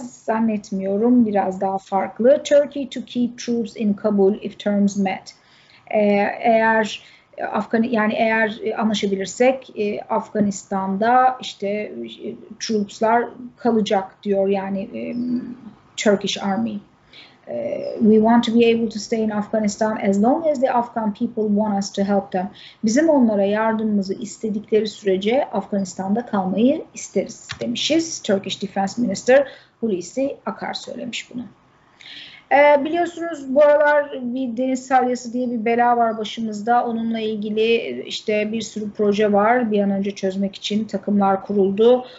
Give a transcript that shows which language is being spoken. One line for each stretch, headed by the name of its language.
Turkish: Zannetmiyorum, biraz daha farklı.
English: Turkey to keep troops in Kabul if terms met.
Turkish: Eğer eğer anlaşabilirsek Afganistan'da işte troopslar kalacak diyor yani Turkish Army.
English: We want to be able to stay in Afghanistan as long as the Afghan people want us to help them.
Turkish: Bizim onlara yardımımızı istedikleri sürece Afganistan'da kalmayı isteriz demişiz. Turkish Defense Minister Hulusi Akar söylemiş bunu. Biliyorsunuz bu aralar bir deniz salyası diye bir bela var başımızda. Onunla ilgili işte bir sürü proje var. Bir an önce çözmek için takımlar kuruldu.